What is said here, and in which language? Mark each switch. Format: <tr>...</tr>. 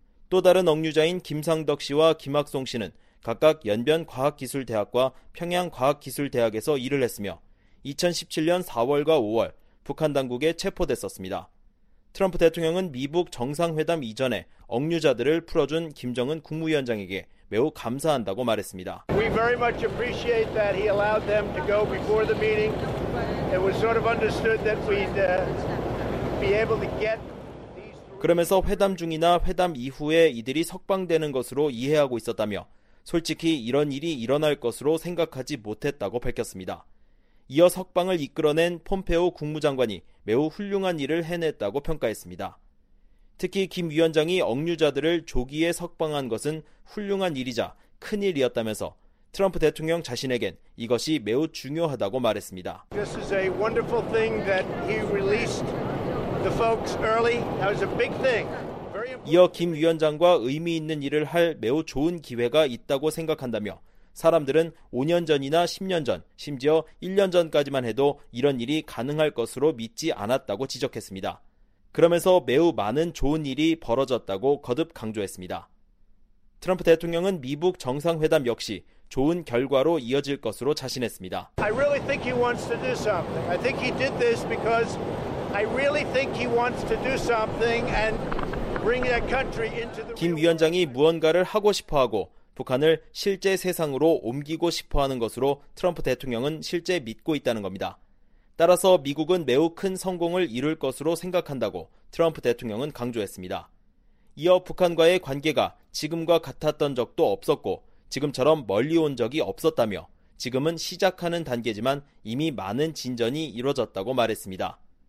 <ko>또 다른 억류자인 김상덕 씨와 김학송 씨는 각각 연변과학기술대학과 평양과학기술대학에서 일을 했으며 2017년 4월과 5월 북한 당국에 체포됐었습니다. 트럼프 대통령은 미북 정상회담 이전에 억류자들을 풀어준 김정은 국무위원장에게 매우 감사한다고 말했습니다.</ko> <en>We very much appreciate that he allowed them to go before the meeting. It was sort of understood that we'd be able to get these</en> <ko>그러면서 회담 중이나 회담 이후에 이들이 석방되는 것으로 이해하고 있었다며 솔직히 이런 일이 일어날 것으로 생각하지 못했다고 밝혔습니다. 이어 석방을 이끌어낸 폼페오 국무장관이 매우 훌륭한 일을 해냈다고 평가했습니다. 특히 김 위원장이 억류자들을 조기에 석방한 것은 훌륭한 일이자 큰일이었다면서 트럼프 대통령 자신에겐 이것이 매우 중요하다고 말했습니다.</ko> <en>This is a wonderful thing that he released the folks early. That was a big thing.</en> <ko>이어 김 위원장과 의미 있는 일을 할 매우 좋은 기회가 있다고 생각한다며 사람들은 5년 전이나 10년 전, 심지어 1년 전까지만 해도 이런 일이 가능할 것으로 믿지 않았다고 지적했습니다. 그러면서 매우 많은 좋은 일이 벌어졌다고 거듭 강조했습니다. 트럼프 대통령은 미북 정상회담 역시 좋은 결과로 이어질 것으로 자신했습니다.</ko> <en>I really think he wants to do something. I think he did this because I really think he wants to do something and bring that country into the</en> <ko>김 위원장이 무언가를 하고 싶어 하고 북한을 실제 세상으로 옮기고 싶어 하는 것으로 트럼프 대통령은 실제 믿고 있다는 겁니다. 따라서 미국은 매우 큰 성공을 이룰 것으로 생각한다고 트럼프 대통령은 강조했습니다. 이어 북한과의 관계가 지금과 같았던 적도 없었고 지금처럼 멀리 온 적이 없었다며 지금은 시작하는 단계지만 이미 많은 진전이 이루어졌다고 말했습니다.</ko>